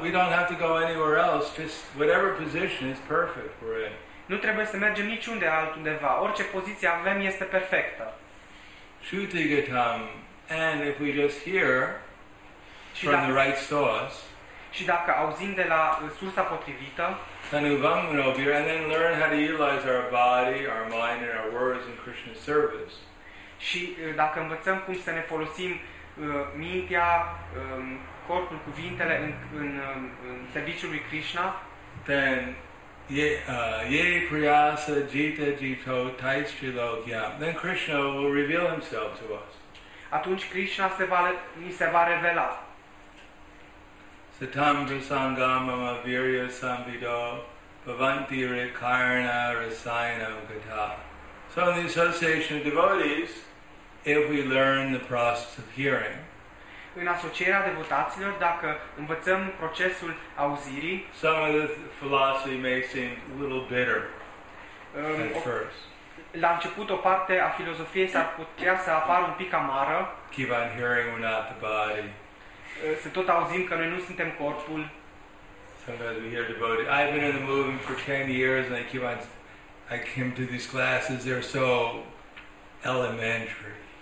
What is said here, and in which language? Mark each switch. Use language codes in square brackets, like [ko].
[en] We don't have to go anywhere else, just whatever position is perfect for it. [ro] Nu trebuie să mergem niciunde altundeva. Orice poziție avem este perfectă. [en] Shutigatam. And if we just hear from the right source, [ro] și dacă auzim de la sursa potrivită, [en] and then learn how to utilize our body, our mind, and our words in Krishna's service. [ro] Și dacă învățăm cum să ne folosim mintea, corpul, cuvintele în serviciul lui Krishna, [en] then [sa] ye priyasa jita jito taistri lokyam, [en] then Krishna will reveal himself to us. [ro] Atunci Krishna ni se va revela. [sa] Satam prasangam mama virya sambhido bhavanti rikarana rasayanam gata. [en] So in the association of devotees, if we learn the process of hearing, [ro] în asocierea devotaților, dacă învățăm procesul auzirii, [en] some of the philosophy may seem a little bitter at first. [ro] La început, o parte a filozofiei s-ar putea să apară un pic amară. [en] Keep on hearing, we're not the body. [ro] Să tot auzim că noi nu suntem corpul. [en] Sometimes we hear devotees. I've been in the movement for 10 years and I came to these classes, they're so elementary.